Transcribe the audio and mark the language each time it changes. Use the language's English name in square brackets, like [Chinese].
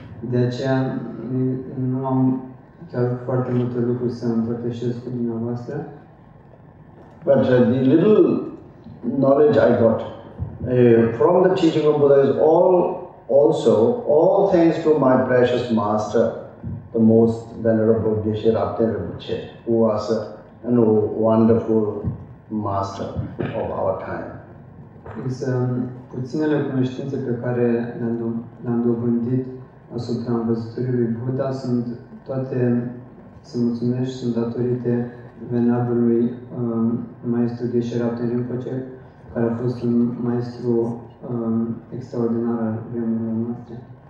[Romanian] De aceea nu am chiar foarte multe lucruri să împărtășesc cu dumneavoastră. [English] But the little knowledge I got from the teaching of Buddha is all thanks to my precious master, the most venerable Geshe Rabdhe Rinpoche, who was a wonderful master of our time. [Romanian] Însă puținele cunoștințe pe care le-am dobândit asupra învățăturii lui Buddha sunt toate, să mulțumesc, sunt datorite venerabilului maestru Geshe Rabdhe Rinpoche, care a fost un maestru extraordinar al vremurilor noastre.